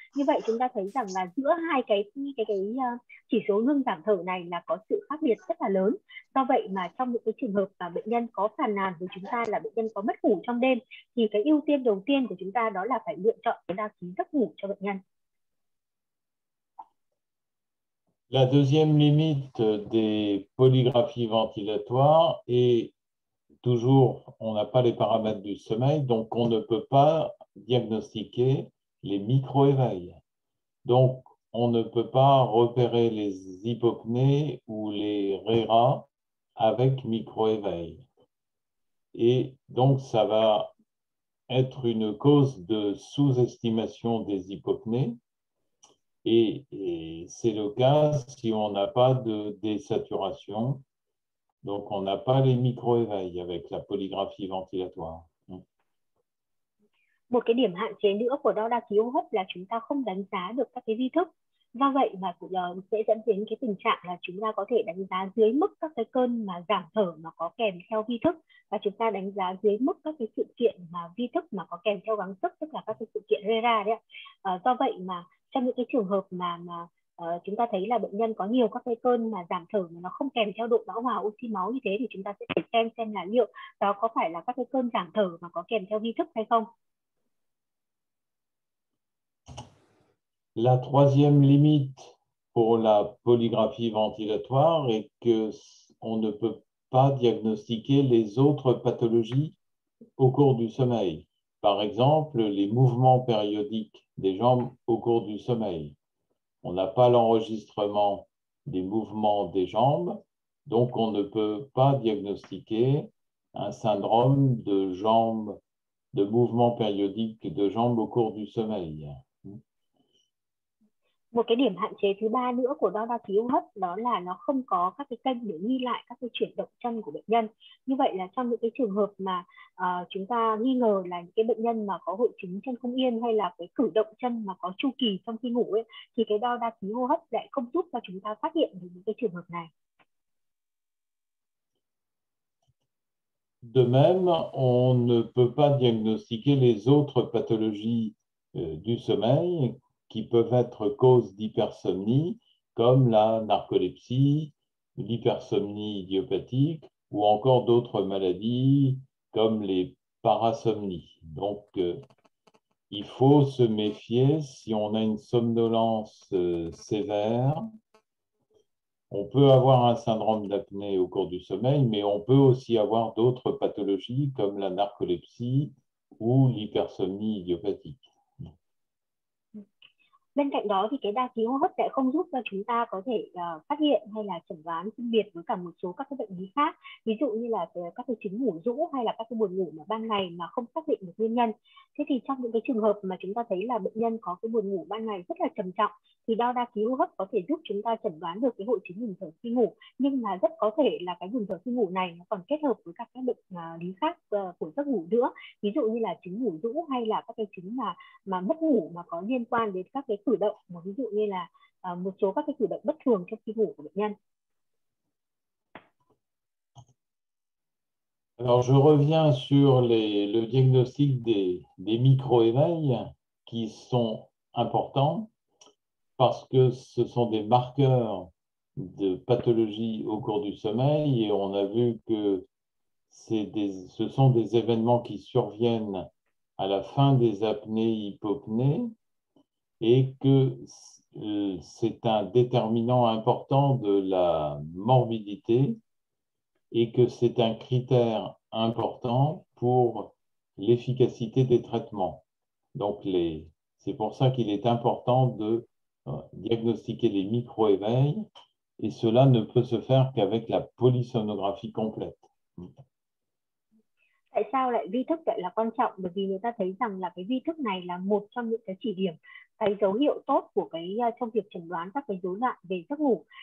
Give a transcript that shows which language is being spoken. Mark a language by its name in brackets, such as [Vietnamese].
[Vietnamese] Như vậy chúng ta thấy rằng là giữa hai cái chỉ số ngừng giảm thở này là có sự khác biệt rất là lớn. Do vậy mà trong những cái trường hợp mà bệnh nhân có phàn nàn với chúng ta là bệnh nhân có mất ngủ trong đêm, thì cái ưu tiên đầu tiên của chúng ta đó là phải lựa chọn cái đa ký giấc ngủ cho bệnh nhân. [French] La deuxième limite des polygraphies ventilatoires est toujours, on n'a pas les paramètres du sommeil, donc on ne peut pas diagnostiquer les micro-éveils. Donc, on ne peut pas repérer les hypopnées ou les RERA avec micro-éveils. Et donc, ça va être une cause de sous-estimation des hypopnées. Et c'est le cas si on n'a pas de désaturation, donc on n'a pas les micro-éveils avec la polygraphie ventilatoire. [Vietnamese] Một cái điểm hạn chế nữa của đo đa ký hô hấp là chúng ta không đánh giá được các cái vi thức. Do vậy mà sẽ dẫn đến cái tình trạng là chúng ta có thể đánh giá dưới mức các cái cơn mà giảm thở mà có kèm theo vi thức, và chúng ta đánh giá dưới mức các cái sự kiện mà vi thức mà có kèm theo gắng sức, tức là các cái sự kiện RERA đấy ạ. Do vậy mà trong những cái trường hợp mà chúng ta thấy là bệnh nhân có nhiều các cái cơn mà giảm thở mà nó không kèm theo độ bão hòa oxy máu như thế, thì chúng ta sẽ phải xem là liệu đó có phải là các cái cơn giảm thở mà có kèm theo vi thức hay không. [French] La troisième limite pour la polygraphie ventilatoire est que on ne peut pas diagnostiquer les autres pathologies au cours du sommeil. Par exemple, les mouvements périodiques des jambes au cours du sommeil. On n'a pas l'enregistrement des mouvements des jambes, donc on ne peut pas diagnostiquer un syndrome de jambes, de mouvements périodiques de jambes au cours du sommeil. [Vietnamese] Một cái điểm hạn chế thứ ba nữa của đo đa ký hô hấp đó là nó không có các cái kênh để ghi lại các cái chuyển động chân của bệnh nhân. Như vậy là trong những cái trường hợp mà chúng ta nghi ngờ là những cái bệnh nhân mà có hội chứng chân không yên hay là cái cử động chân mà có chu kỳ trong khi ngủ ấy, thì cái đo đa ký hô hấp lại không giúp cho chúng ta phát hiện được những cái trường hợp này. [French] De même, on ne peut pas diagnostiquer les autres pathologies du sommeil qui peuvent être cause d'hypersomnie, comme la narcolepsie, l'hypersomnie idiopathique ou encore d'autres maladies comme les parasomnies. Donc, il faut se méfier si on a une somnolence sévère. On peut avoir un syndrome d'apnée au cours du sommeil, mais on peut aussi avoir d'autres pathologies comme la narcolepsie ou l'hypersomnie idiopathique. [Vietnamese] Bên cạnh đó thì cái đa ký hô hấp sẽ không giúp cho chúng ta có thể phát hiện hay là chẩn đoán phân biệt với cả một số các cái bệnh lý khác, ví dụ như là các cái chứng ngủ rũ hay là các cái buồn ngủ mà ban ngày mà không xác định được nguyên nhân. Thế thì trong những cái trường hợp mà chúng ta thấy là bệnh nhân có cái buồn ngủ ban ngày rất là trầm trọng thì đo đa ký hô hấp có thể giúp chúng ta chẩn đoán được cái hội chứng ngừng thở khi ngủ, nhưng mà rất có thể là cái ngừng thở khi ngủ này nó còn kết hợp với các cái bệnh lý khác của giấc ngủ nữa, ví dụ như là chứng ngủ rũ hay là các cái chứng mà mất ngủ mà có liên quan đến các cái cử động, một ví dụ như là một số các cái cử động bất thường trong khi ngủ của bệnh nhân. [French] Alors, je reviens sur le diagnostic des micro-éveils qui sont importants parce que ce sont des marqueurs de pathologie au cours du sommeil et on a vu que ce sont des événements qui surviennent à la fin des apnées hypopnées et que c'est un déterminant important de la morbidité et que c'est un critère important pour l'efficacité des traitements. Donc, c'est pour ça qu'il est important de diagnostiquer les micro-éveils et cela ne peut se faire qu'avec la polysomnographie complète. [Vietnamese] Tại sao lại vi thức lại là quan trọng? Bởi vì người ta thấy rằng là cái vi thức này là một trong những cái chỉ điểm, cái dấu hiệu tốt của trong việc chẩn đoán các cái rối loạn về giấc ngủ.